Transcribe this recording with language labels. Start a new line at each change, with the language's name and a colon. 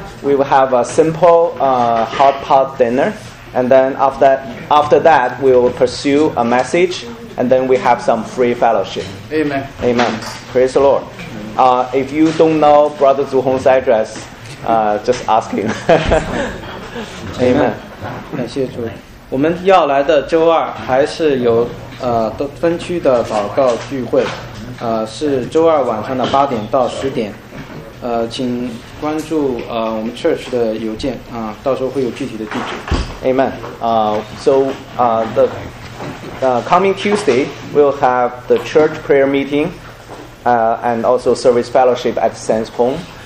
English: We will have a simple hot pot dinner, and then after that, we will pursue a message, and then we have some free fellowship. Amen. Amen. Praise the Lord. If you don't know Brother Zhu Hong's address, just ask him. Amen.
Chinese: 感谢主。我们要来的周二还是有分区的祷告聚会，是周二晚上的8点到10点，请关注我们 church 的邮件啊，到时候会有具体的地址。
English: Amen. So the coming Tuesday we'll have the church prayer meeting, and also service fellowship at Saints Home.